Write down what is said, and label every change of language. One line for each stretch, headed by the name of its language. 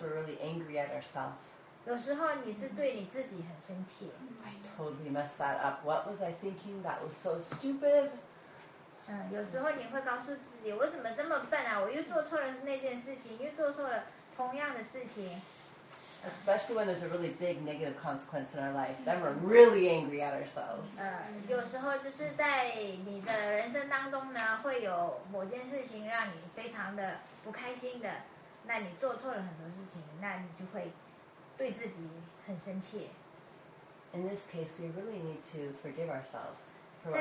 English: we're really angry at ourselves.
Chinese: 有时候你是对你自己很生气。
English: I totally messed that up. What was I thinking? That was so stupid.
Chinese: 有时候你会告诉自己，我怎么这么笨啊？我又做错了那件事情，又做错了同样的事情。
English: Especially when there's a really big negative consequence in our life, then we're really angry at ourselves.
Chinese: 有时候就是在你的人生当中呢，会有某件事情让你非常的不开心的，那你做错了很多事情，那你就会对自己很生气。
English: In this case, we really need to forgive ourselves for what